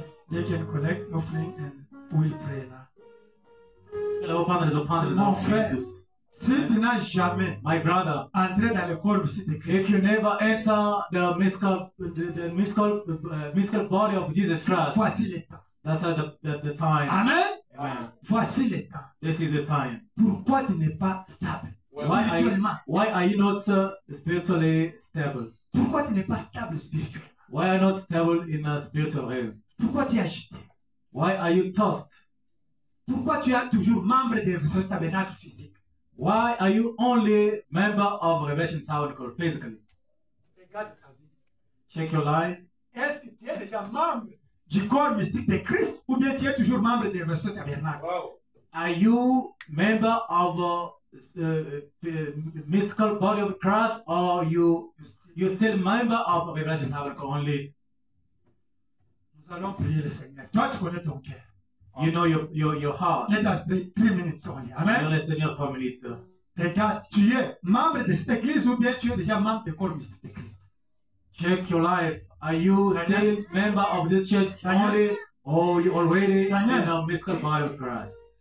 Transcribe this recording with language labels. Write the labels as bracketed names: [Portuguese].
[English] They can collect offerings and we'll pray now. [French] Mon frère, si tu n'as jamais entré dans le corps vicieux de Christ, [English] if you never enter the mystical body of Jesus Christ, [French] voici le temps. [English] That's the time. Amen. Amen. [French] Voici le temps. [English] This is the time. [French] Pourquoi tu n'es pas stable? [English] Why are you not spiritually stable? [French] Pourquoi tu n'es pas stable spirituellement? [English] Why are you not stable in a spiritual realm? [French] Pourquoi tu es agité? [English] Why are you tossed? [French] Pourquoi tu es toujours membre de ce tabernacle physique? [English] Why are you only member of Revelation Tabernacle physically? Check your life. [French] Est-ce que tu es déjà membre du corps mystique de Christ ou bien tu es toujours membre de Revelation Tabernacle? Wow. [English] Are you member of the mystical body of Christ or you still member of Revelation Tabernacle only? [French] Nous allons prier le Seigneur. Toi, tu connais ton cœur. [English] You know your heart. Let us pray 3 minutes only. Amen. [French] Le Seigneur 3 minutes. Regarde, tu es membre de cette église ou bien tu es déjà membre du corps mystique de Christ? [English] Check your life. Are you still member of this church only, or you already in a mystical body of Christ?